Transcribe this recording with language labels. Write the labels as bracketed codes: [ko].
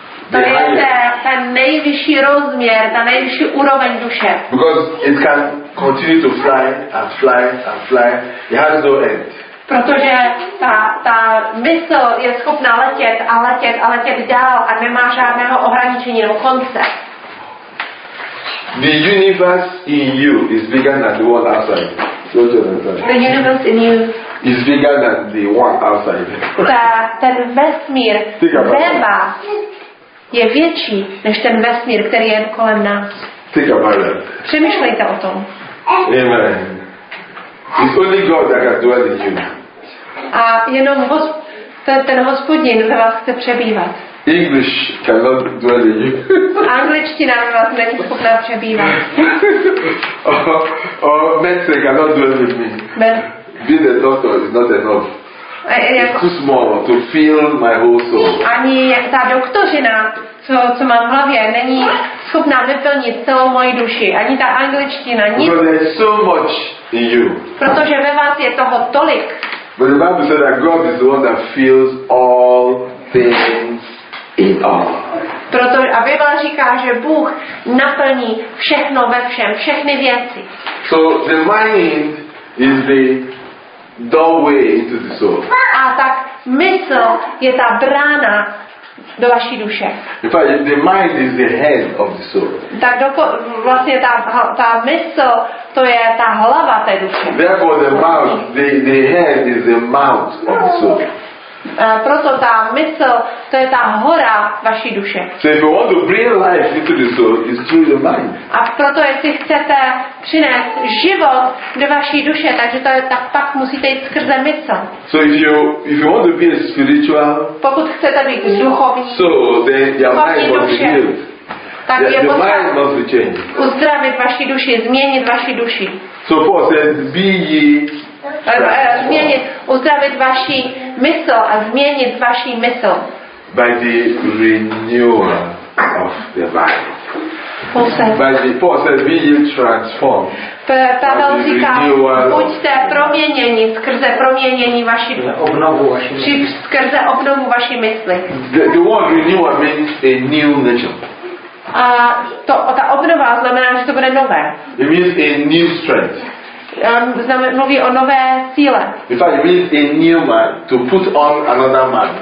[cs] To je ten nejvyšší rozměr, ta nejvyšší úroveň duše. [en] Because it can continue to fly and fly and fly. It has no end. [cs] Protože ta mysl je schopná letět a letět a letět dál a nemá žádného ohraničení nebo konce. [en] The universe in you is bigger than the world outside. Your children inside. The universe in you. Is bigger than the one outside. [cs] Ten vesmír zeba je větší než ten vesmír, který je kolem nás. [en] Think about that. [cs] Přemýšlejte o tom. [en] Amen. It's only God that can dwell in you. [cs] A jenom ten Hospodin ve vás chce přebývat. [en] English cannot dwell in you. [cs] Angličtina ve vás není schopná přebývat. [en] Or Mexico cannot dwell in me. Being a doctor is not enough. It's too small to fill my whole soul. [cs] Ani ta doktořina, co mám v hlavě, není schopná vyplnit celou moji duši. Ani ta angličtina, nic. [en] Because there's so much in you. [cs] Protože ve vás je toho tolik. [en] But the Bible says that God is the one that fills all things in all. [cs] Proto a Bible říká, že Bůh naplní všechno ve všem, všechny věci. [en] So the mind is the doorway into the soul. [cs] A tak mysl je ta brána do vaší duše. [en] In fact, the mind is the head of the soul. [cs] Tak vlastně ta mysl, to je ta hlava té duše. [en] Therefore, the mouth, the head is the mouth of the soul. [cs] Proto ta mysl, to je ta hora vaší duše. [en] So if you want to bring life into the soul, it's through the mind. [cs] A proto, jestli chcete přinést život do vaší duše, takže to je tak, pak musíte jít skrze mysl. [en] So if you want to be a spiritual, [cs] pokud chcete být duchovní, [en] so then your mind must be healed. [cs] Tak [en] your mind must be changed. [cs] Uzdravit vaší duši, změnit vaší duši. [en] So Paul says, be ye. [cs] Změnit, uzdravit vaši mysl a změnit vaši mysl. [en] By the renewal of the mind. Paul says, be you transformed. [cs] Pavel říká, buďte proměněni skrze proměnění vaší duše. Skrze obnovu vaší mysli. [en] The word renewal means a new nature. [cs] A ta obnova znamená, že to bude nové. [en] It means a new strength. [cs] Mluví o nové síle. [en] If I mean a new man, to put on another man.